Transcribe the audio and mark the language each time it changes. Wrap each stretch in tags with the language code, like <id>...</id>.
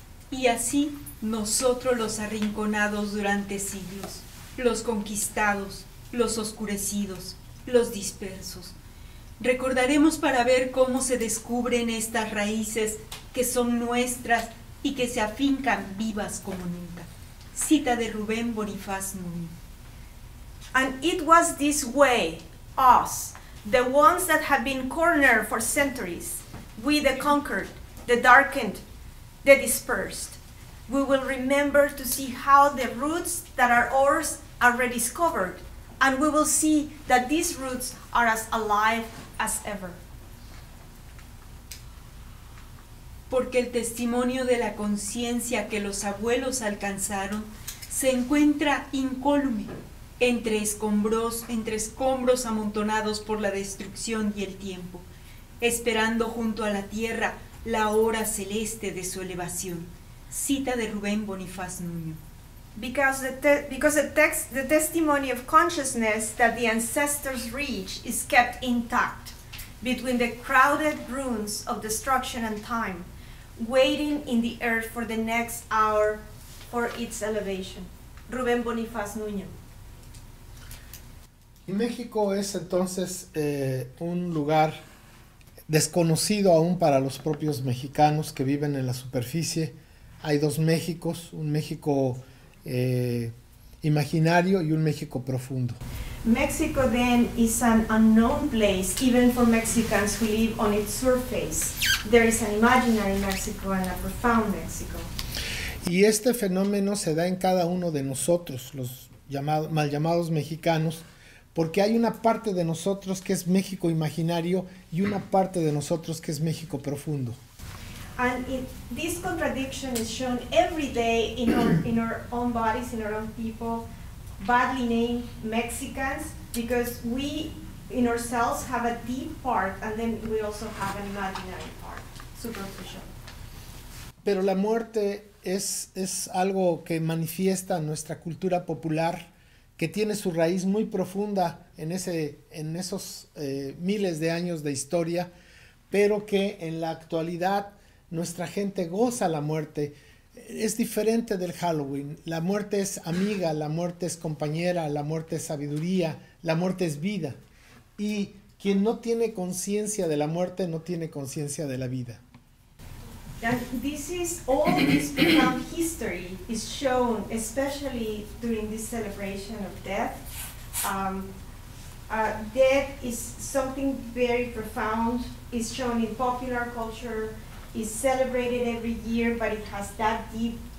<es>Y así, nosotros los arrinconados durante siglos, los conquistados, los oscurecidos, los dispersos, recordaremos para ver cómo se descubren estas raíces que son nuestras y que se afincan vivas como nunca. Cita de Rubén Bonifaz Núñez.</es> <en>And it was this way, us, the ones that have been cornered for centuries, we the conquered, the darkened, the dispersed, we will remember to see how the roots that are ours are rediscovered, and we will see that these roots are as alive as ever.</en> <es>Porque el testimonio de la conciencia que los abuelos alcanzaron se encuentra incólume entre escombros amontonados por la destrucción y el tiempo, esperando junto a la tierra la hora celeste de su elevación. Cita de Rubén Bonifaz Nuño.</es> <en>Because the testimony of consciousness that the ancestors reach is kept intact between the crowded ruins of destruction and time, waiting in the earth for the next hour for its elevation.</en> <es>Rubén Bonifaz Nuño. Y México es entonces un lugar desconocido aún para los propios mexicanos que viven en la superficie. Hay dos Méxicos, un México imaginario y un México profundo.</es> <en>Mexico then is an unknown place even for Mexicans who live on its surface. There is an imaginary Mexico and a profound Mexico.</en> <es>Y este fenómeno se da en cada uno de nosotros, los mal llamados mexicanos, porque hay una parte de nosotros que es México imaginario y una parte de nosotros que es México profundo.</es> <en>And this contradiction is shown every day in our own bodies, in our own people, badly named Mexicans, because we in ourselves have a deep part and then we also have an imaginary part, superficial.</en> <es>Pero la muerte es algo que manifiesta nuestra cultura popular, que tiene su raíz muy profunda en esos miles de años de historia, pero que en la actualidad nuestra gente goza la muerte. Es diferente del Halloween. La muerte es amiga, la muerte es compañera, la muerte es sabiduría, la muerte es vida. Y quien no tiene conciencia de la muerte no tiene conciencia de la vida.</es> <en>And this is all this profound history is shown, especially during this celebration of death. Death is something very profound. It's shown in popular culture, is celebrated every year, but it has that deep</en>